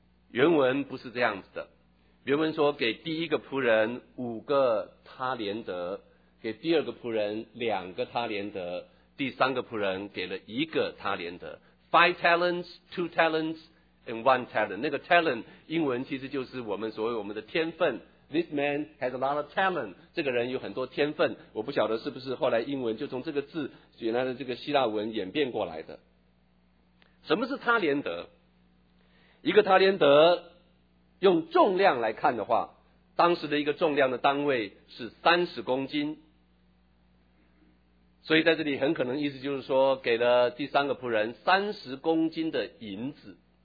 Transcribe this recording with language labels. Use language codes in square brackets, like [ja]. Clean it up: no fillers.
[zh] 原文不是这样子的，原文说给第一个仆人五个他连德，给第二个仆人两个他连德，第三个仆人给了一个他连德。 [en] 5 talents, 2 talents and 1 talent， [zh] 那个 talent 英文其实就是我们所谓我们的天分。 [en] This man has a lot of talent， [zh] 这个人有很多天分。我不晓得是不是后来英文就从这个字原来的这个希腊文演变过来的。什么是他连德？一个他连德用重量来看的话，当时的一个重量的单位是30公斤，所以在这里很可能意思就是说给了第三个仆人30公斤的银子。